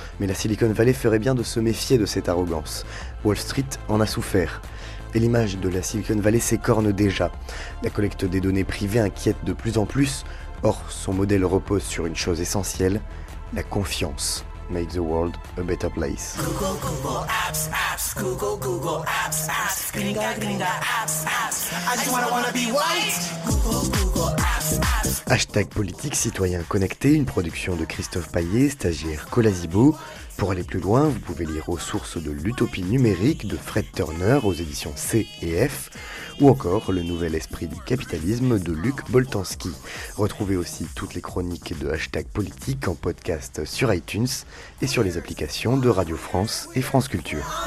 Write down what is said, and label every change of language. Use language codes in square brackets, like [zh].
[fr] Mais la Silicon Valley ferait bien de se méfier de cette arrogance. Wall Street en a souffert. Et l'image de la Silicon Valley s'écorne déjà. La collecte des données privées inquiète de plus en plus. Or, son modèle repose sur une chose essentielle, la confiance. [en] Make the world a better place. Google, Google, apps, apps. Google, Google, apps, apps. Gringa, gringa, apps, apps. I just wanna be white. Google, Google, apps, apps. [fr] Hashtag politique citoyen connecté, une production de Christophe Paillet, stagiaire Colasibo. Pour aller plus loin, vous pouvez lire aux sources de l'utopie numérique de Fred Turner aux éditions C et F, ou encore le nouvel esprit du capitalisme de Luc Boltanski. Retrouvez aussi toutes les chroniques de Hashtag politique en podcast sur iTunes et sur les applications de Radio France et France Culture.